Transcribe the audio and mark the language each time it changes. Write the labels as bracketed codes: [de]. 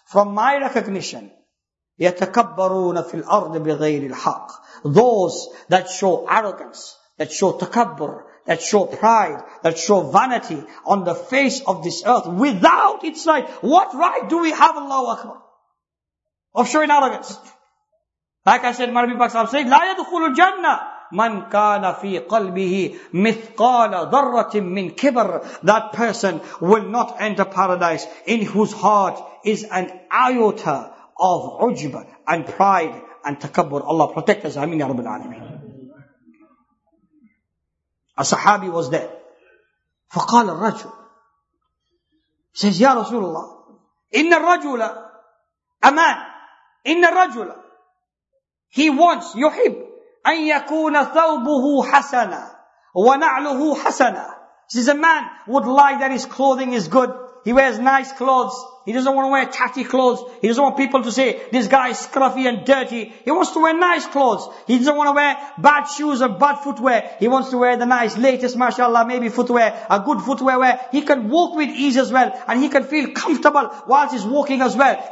[en] from my recognition. [ar] يَتَكَبَّرُونَ فِي الْأَرْضِ بِغَيْرِ الْحَقِّ. [en] Those that show arrogance, that show takabbur, that show pride, that show vanity on the face of this earth without its right. What right do we have, Allahu Akbar, of showing arrogance? Like I said, Marbi Baksam said, [ar] لَا يَدْخُلُ الْجَنَّةِ مَنْ كَانَ فِي قَلْبِهِ مِثْقَالَ ذَرَّةٍ مِّنْ كِبَرٍ. [en] That person will not enter paradise in whose heart is an iota of ujb and pride and takabbur. Allah protect us. Ameen ya Rabbil Alameen. A sahabi was there. [ar] فَقَالَ الرَّجُلُ, [en] says, [ar] Ya Rasulullah, إِنَّ الرَّجُلَ, [en] a man, [ar] إِنَّ الرَّجُلَ, [en] he wants, [ar] يُحِبْ, أَنْ يَكُونَ ثَوْبُهُ حَسَنًا وَنَعْلُهُ حَسَنًا. [en] Says, a man would like that his clothing is good. He wears nice clothes. He doesn't want to wear tatty clothes. He doesn't want people to say, this guy is scruffy and dirty. He wants to wear nice clothes. He doesn't want to wear bad shoes or bad footwear. He wants to wear the nice, latest, mashallah, maybe footwear, a good footwear where he can walk with ease as well, and he can feel comfortable whilst he's walking as well.